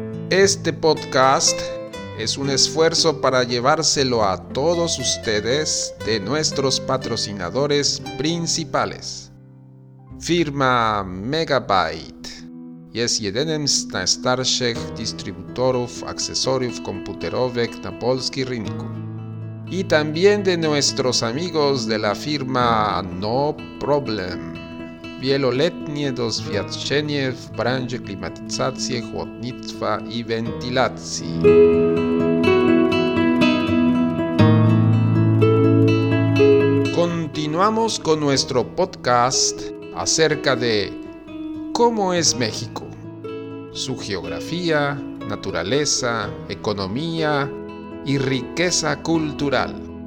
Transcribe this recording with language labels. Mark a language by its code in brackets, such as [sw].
[es] Este podcast es un esfuerzo para llevárselo a todos ustedes de nuestros patrocinadores principales. [pl] Firma Megabyte. Jest jedynym z najstarszych dystrybutorów akcesoriów komputerowych na polskim rynku. [es] Y también de nuestros amigos de la firma No Problem. [pl] Wieloletnie doświadczenie w branży klimatyzacji, chłodnictwa i wentylacji. [es] Continuamos con nuestro podcast acerca de cómo es México, su geografía, naturaleza, economía y riqueza cultural.